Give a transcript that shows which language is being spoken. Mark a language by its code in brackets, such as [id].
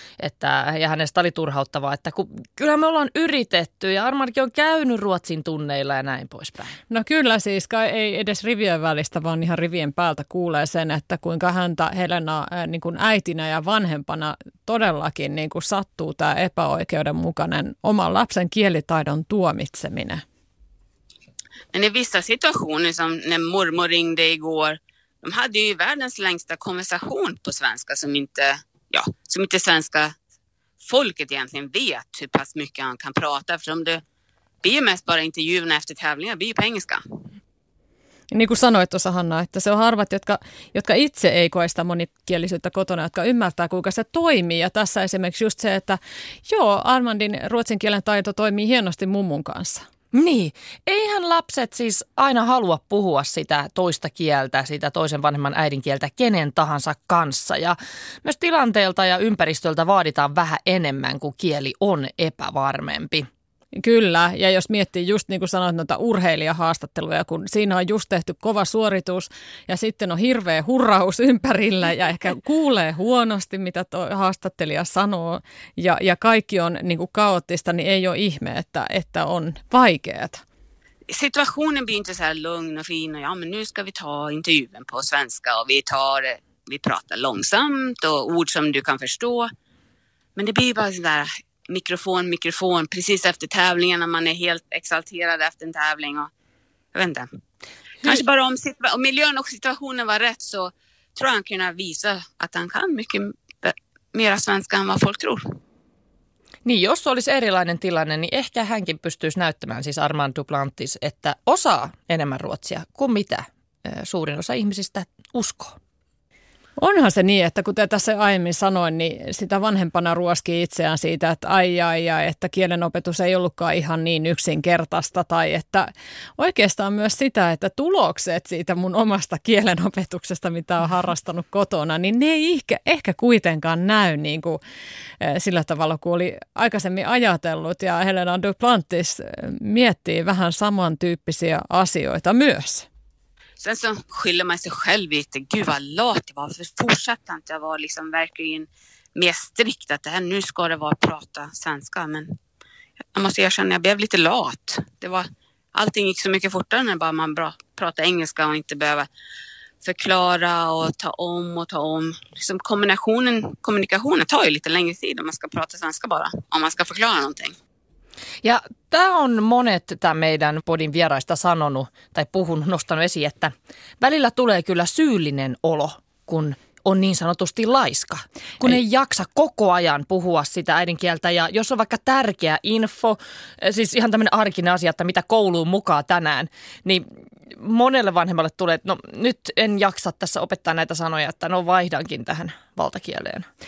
[fi] Että, ja hänestä oli turhauttavaa, että kyllä me ollaan yritetty ja Armandkin on käynyt ruotsin tunneilla ja näin poispäin. No kyllä siis, kai ei edes rivien välistä, vaan ihan rivien päältä kuulee sen, että kuinka häntä Helena niin kuin äitinä ja vanhempana todellakin niin kuin sattuu tämä epäoikeudenmukainen oman lapsen kielitaidon tuomitseminen. [sv] Men i vissa situationer, som när mormor ringde igår, de hade ju världens längsta konversation på svenska som inte svenska folket egentligen vet hur pass mycket han kan prata. För om det blir ju mest bara intervjuerna efter tävlingar, blir ju på engelska. [fi] Niin kuin sanoit tuossa Hanna, että se on harvat, jotka itse ei koe sitä monikielisyyttä kotona, jotka ymmärtää, kuinka se toimii. Ja tässä esimerkiksi just se, että joo, Armandin ruotsin kielen taito toimii hienosti mummun kanssa. Niin, eihän lapset siis aina halua puhua sitä toista kieltä, sitä toisen vanhemman äidinkieltä kenen tahansa kanssa. Ja myös tilanteelta ja ympäristöltä vaaditaan vähän enemmän, kun kieli on epävarmempi. Kyllä, ja jos miettii just niin kuin sanoit noita urheilijahaastatteluja, kun siinä on just tehty kova suoritus ja sitten on hirveä hurraus ympärillä ja ehkä kuulee huonosti, mitä tuo haastattelija sanoo ja kaikki on niin kuin kaoottista, niin ei ole ihme, että on vaikeat. [sv] Situationen blir inte så här lugn och fin och ja, men nu ska vi ta intervjun på svenska och vi pratar långsamt och ord som du kan förstå, men det blir bara så där... Mikrofon, precis efter tävlingen när man är helt exalterad efter en tävling. Och, jag vet inte. Kanske bara om miljön och situationen var rätt, så tror jag han kunde visa att han kan mycket mera svenska än vad folk tror. [fi] Niin, jos olisi erilainen tilanne, niin ehkä hänkin pystyisi näyttämään, siis Armand Duplantis, että osaa enemmän ruotsia kuin mitä suurin osa ihmisistä uskoo. Onhan se niin, että kuten tässä aiemmin sanoin, niin sitä vanhempana ruoskii itseään siitä, että ai, että kielenopetus ei ollutkaan ihan niin yksinkertaista. Tai että oikeastaan myös sitä, että tulokset siitä mun omasta kielenopetuksesta, mitä olen harrastanut kotona, niin ne ei ehkä kuitenkaan näy niin kuin sillä tavalla, kun oli aikaisemmin ajatellut. Ja Helena Duplantis miettii vähän samantyyppisiä asioita myös. [sv] Sen så skyller man sig själv lite. Gud vad lat det var. För fortsatte inte jag vara liksom verkligen mer strikt. Att det här, nu ska det vara att prata svenska. Men jag måste erkänna att jag blev lite lat. Det var, allting gick så mycket fortare när bara man bara pratade engelska. Och inte behöva förklara och ta om och ta om. Liksom kommunikationen tar ju lite längre tid om man ska prata svenska bara. Om man ska förklara någonting. [fi] Ja tämä on monet tämän meidän podin vieraista sanonut tai puhunut, nostanut esiin, että välillä tulee kyllä syyllinen olo, kun on niin sanotusti laiska. Kun ei jaksa koko ajan puhua sitä äidinkieltä ja jos on vaikka tärkeä info, siis ihan tämmöinen arkinen asia, että mitä kouluun mukaan tänään, niin monelle vanhemmalle tulee, että no nyt en jaksa tässä opettaa näitä sanoja, että no vaihdankin tähän valtakieleen.